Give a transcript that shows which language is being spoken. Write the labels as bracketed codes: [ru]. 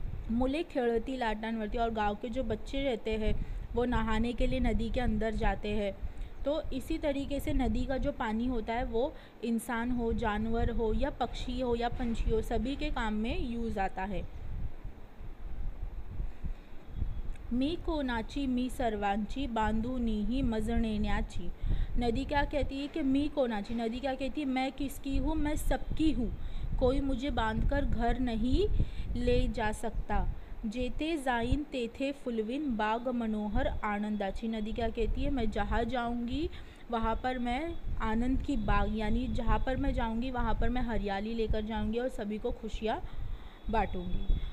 [mr] मुले खेलती लाटानवरती, [hi] और गांव के जो बच्चे रहते हैं वो नहाने के लिए नदी के अंदर जाते हैं। तो इसी तरीके से नदी का जो पानी होता है वो इंसान हो, जानवर हो, या पक्षी हो, या पंछी हो, सभी के काम में यूज़ आता है। [mr] मी कोनाची मी सर्वांची, बांधुनी ही मजने न्याची। [hi] नदी क्या कहती है कि [mr] मी कोनाची, [hi] नदी क्या कहती है, मैं किसकी हूँ, मैं सबकी हूँ, कोई मुझे बांधकर घर नहीं ले जा सकता। [mr] जेते जाइन तेथे फुलविन, बाग मनोहर आनंदाची। [hi] नदी क्या कहती है, मैं जहाँ जाऊँगी वहाँ पर मैं आनंद की बाग यानी जहाँ पर मैं जाऊँगी वहाँ पर मैं हरियाली लेकर जाऊँगी और सभी को खुशियाँ बांटूंगी।